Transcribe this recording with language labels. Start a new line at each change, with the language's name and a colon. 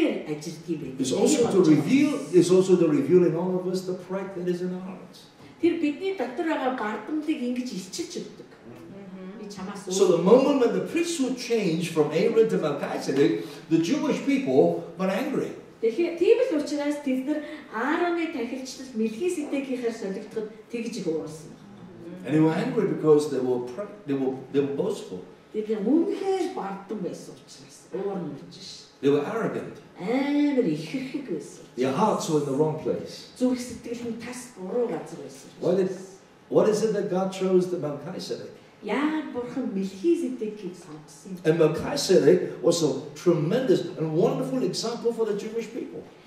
English: It's also the revealing all of us the pride that is in our hearts.
Mongolian: Тэр бидний дотор байгаа бардамлыг ингэж илчилж өгдөг. Би чамаас өөр.
English: So the moment when the priesthood changed from Aaron to Melchizedek, the Jewish people were angry.
Mongolian: Тэгэхээр тийм л учраас тэд нар Аароны тахилчлал Мелхиседекийнхээр солигдоход тэгж их уурсан.
English: And they were angry because they were boastful.
Mongolian: Тэд яг үнэхээр бардам байсан учраас уурн үлж ш.
English: They were arrogant. Their hearts were in the wrong place. What is it that God chose the Melchizedek? And Melchizedek was a tremendous and wonderful example for the Jewish people.